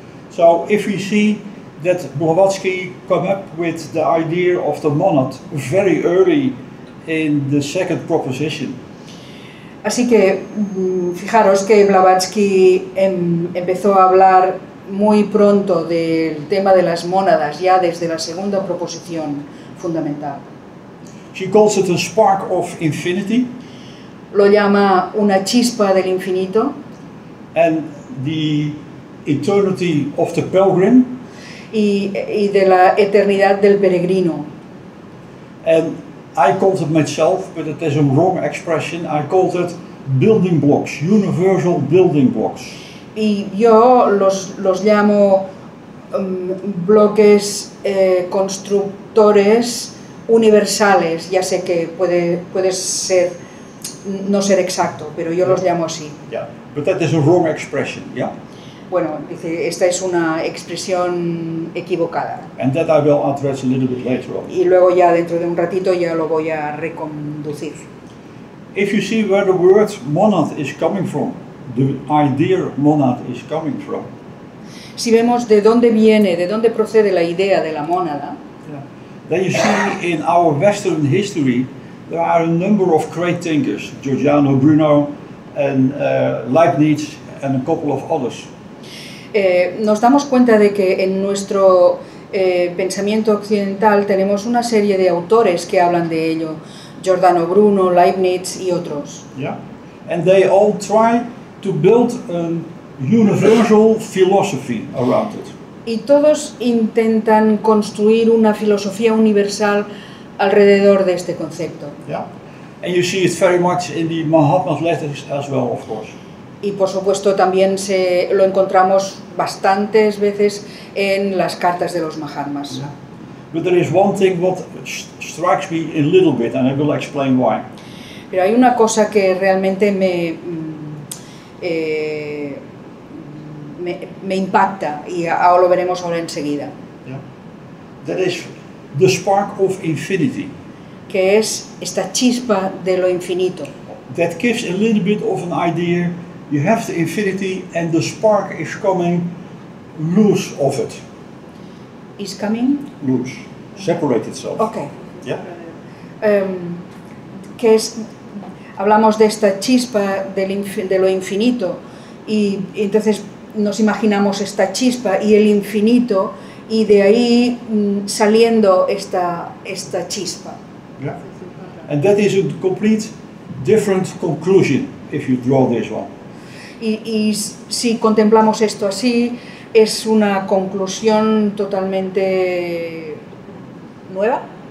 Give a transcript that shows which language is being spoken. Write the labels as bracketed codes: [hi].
[en] So if we see that Blavatsky came up with the idea of the monad very early in the second proposition. [es] Así que fijaros que Blavatsky empezó a hablar muy pronto del tema de las mónadas ya desde la segunda proposición fundamental. [en] She calls it a spark of infinity. [es] Lo llama una chispa del infinito. [en] And the eternity of the pilgrim. [es] Y de la eternidad del peregrino. [en] And I called it myself, but it is a wrong expression. I called it building blocks, universal building blocks. [es] Y yo los llamo bloques constructores universales. Ya sé que puede ser no ser exacto, pero yo los llamo así. [en] Yeah, but that is a wrong expression. Yeah. [es] Bueno, dice, esta es una expresión equivocada. [en] And that I will address a little bit later on. [es] Y luego ya dentro de un ratito ya lo voy a reconducir. [en] If you see where the word monad is coming from, the idea monad is coming from. [es] Si vemos de dónde viene, de dónde procede la idea de la mónada. [en] Then you see in our Western history there are a number of great thinkers, Giordano Bruno and Leibniz and a couple of others. [es] Nos damos cuenta de que en nuestro pensamiento occidental tenemos una serie de autores que hablan de ello, Giordano Bruno, Leibniz y otros. [en] Yeah. And they all try to build a universal philosophy around it. [es] y todos intentan construir una filosofía universal alrededor de este concepto. [en] Yeah. And you see it very much in the Mahatma's letters as well, of course. [es] Y por supuesto también se lo encontramos bastantes veces en las cartas de los Mahatmas. [en] Yeah. But there is one thing what strikes me a little bit, and I will explain why. [es] Pero hay una cosa que realmente me impacta y ahora lo veremos ahora enseguida. [en] Yeah. That is the spark of infinity. [es] Que es esta chispa de lo infinito. [en] That gives a little bit of an idea. You have the infinity and the spark is coming loose of it. Is coming? Loose. Separate itself. Okay. Yeah. [es] Que es, hablamos de esta chispa de lo infinito y entonces nos imaginamos esta chispa y el infinito y de ahí saliendo esta chispa. [en] Yeah. And that is a complete different conclusion if you draw this one. [es] Y si contemplamos esto así, es una conclusión totalmente nueva.